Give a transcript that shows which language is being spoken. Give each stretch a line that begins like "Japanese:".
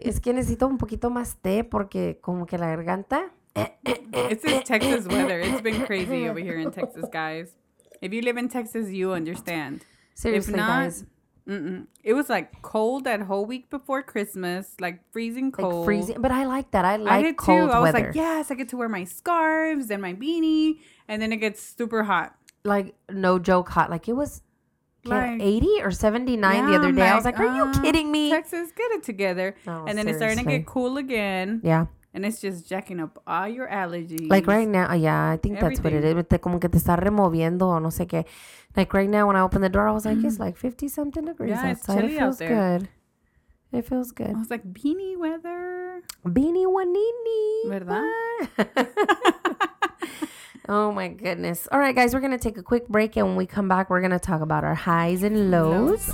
Spanish: Es que necesito un poquito más té porque como que la garganta.
English: It's in Texas weather. It's been crazy over here in Texas, guys. If you live in Texas, you understand. Seriously, if not, guys. It was like cold that whole week before Christmas, like freezing cold. Like freezing, but I like that. I did cold too. I weather. Was like, yes, I get to wear my scarves and my beanie, and then it gets super hot. Like, no joke, hot. Like, it was like 80 or 79 the other day. Like, I was like, are you kidding me? Texas, get it together. Oh, and then seriously. It's starting to get cool again. Yeah. And it's just jacking up all your allergies. Like right now, yeah, I think everything. That's what it is.
Spanish: Como que te está removiendo o no sé qué.
English: Like right now when I opened the door, I was like, it's like 50-something degrees outside. It's chilly out there. It feels good. It feels good. I was like, beanie weather. Beanie wanini.
Spanish: ¿Verdad?
English: Oh, my goodness. All right, guys, we're going to take a quick break. And when we come back, we're going to talk about our highs and lows